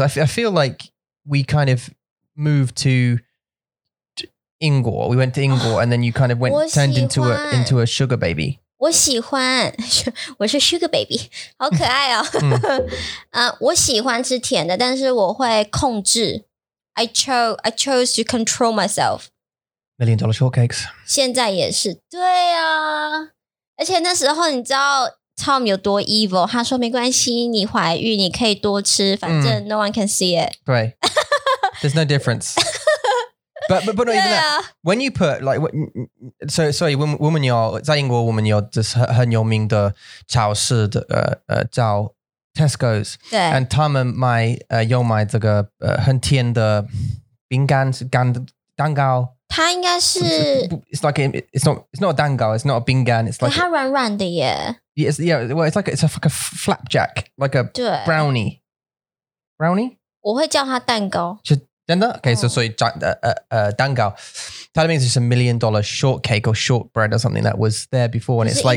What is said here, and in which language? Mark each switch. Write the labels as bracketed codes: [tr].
[en] I feel like we kind of moved to Ingor. We went to Ingor and then you kind of went turned into a sugar baby. [zh] 我喜欢,我是 sugar baby, 好可爱哦。我喜欢吃甜的,但是我会控制。 [en] I chose to control myself. Million dollar shortcakes. [zh] 现在也是,对啊。而且那时候你知道Tom 有多 evil, 他说没关系,你怀孕,你可以多吃,反正 [en] no one can see it. Right. There's no difference. but not even that. When you put, like, so sorry, [zh] 我们有,在英国我们有就是很有名的超市的,叫 Tesco's. 对。 And 他们买,有买这个,很甜的饼干,干的蛋糕。它应该是 [en] it's like it's not a 蛋糕 it's not a 饼干 it's like [zh] 它软软的耶 [en] yes yeah well it's like it's like a flapjack like a brownie [zh] 我会叫它蛋糕是真的 [en] okay so [zh] 所以叫蛋糕它的名字是 [en] million dollar shortcake or shortbread or something that was there before and it's like